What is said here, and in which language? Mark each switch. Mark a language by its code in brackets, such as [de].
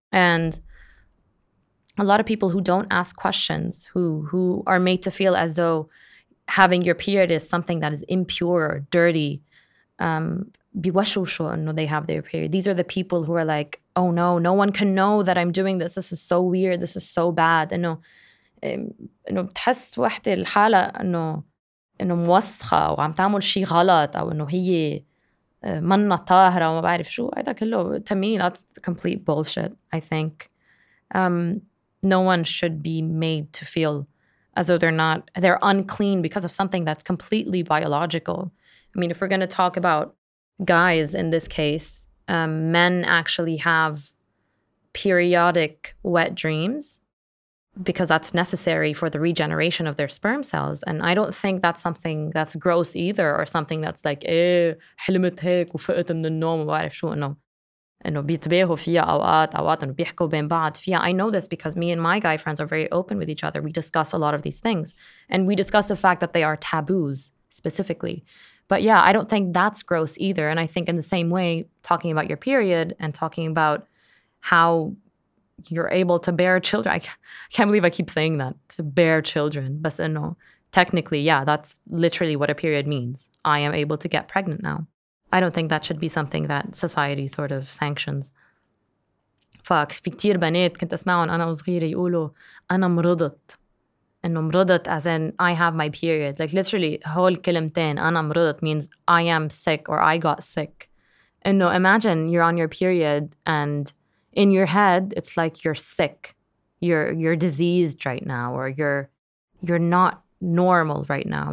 [en] And a lot of people who don't ask questions, who are made to feel as though having your period is something that is impure, dirty, بيوشوشو أنه they have their period. These are the people who are like, oh no, no one can know that I'm doing this. This is so weird. This is so bad. [ar] أنه بتحس واحدة الحالة أنه موسخة وعم تعمل شي غلط أو أنه هي منة طاهرة وما بعرف شو. [en] هذا كله, to me, that's complete bullshit, I think. No one should be made to feel as though they're unclean because of something that's completely biological. I mean, if we're going to talk about guys in this case, men actually have periodic wet dreams because that's necessary for the regeneration of their sperm cells. And I don't think that's something that's gross either, or something that's like, eh, حلمت هيك وفقت من النوم وبعرف شو انه. [ar] And بيتباهوا فيها أوقات أنه بيحكوا بين بعض فيها. [en] I know this because me and my guy friends are very open with each other. We discuss a lot of these things. And we discuss the fact that they are taboos specifically. But yeah, I don't think that's gross either. And I think in the same way, talking about your period and talking about how you're able to bear children. I can't believe I keep saying that, to bear children. But technically, yeah, that's literally what a period means. I am able to get pregnant now. I don't think that should be something that society sort of sanctions. [ar] Fuck, في كتير بنات كنت أسمعهم أنا وصغيرة يقولوا أنا مرضت. [en] إنه مرضت as in I have my period. Like literally, whole كلمتين أنا مرضت means I am sick or I got sick. إنه imagine you're on your period and in your head, it's like you're sick. You're diseased right now, or you're not normal right now.